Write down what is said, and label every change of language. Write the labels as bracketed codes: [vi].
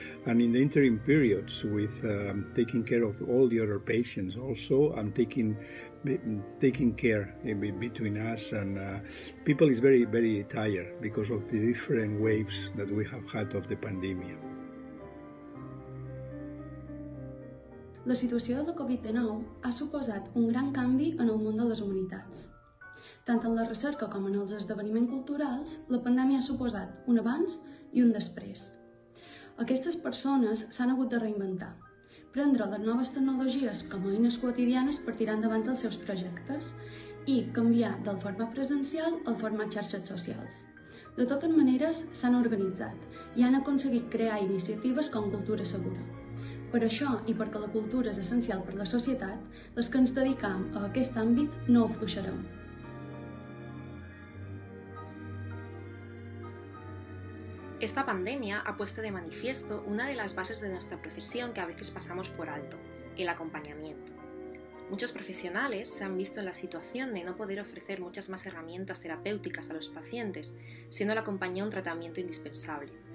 [en] And in the interim periods, with taking care of all the other patients also, and taking care between us and people is very, very tired because of the different waves that we have had of the pandemic. [ca] La situació de la Covid-19 ha suposat un gran canvi en el món de les humanitats. Tant en la recerca com en els esdeveniments culturals, la pandèmia ha suposat un abans i un després. Aquestes persones s'han hagut de reinventar, prendre les noves tecnologies com a eines quotidianes per tirar endavant els seus projectes i canviar del format presencial al format xarxes socials. De totes maneres, s'han organitzat i han aconseguit crear iniciatives com Cultura Segura. Per això, i perquè la cultura és essencial per a la societat, les que ens dedicam a aquest àmbit no ho afluixarem. [es] Esta pandemia ha puesto de manifiesto una de las bases de nuestra profesión que a veces pasamos por alto, el acompañamiento. Muchos profesionales se han visto en la situación de no poder ofrecer muchas más herramientas terapéuticas a los pacientes, siendo la compañía un tratamiento indispensable.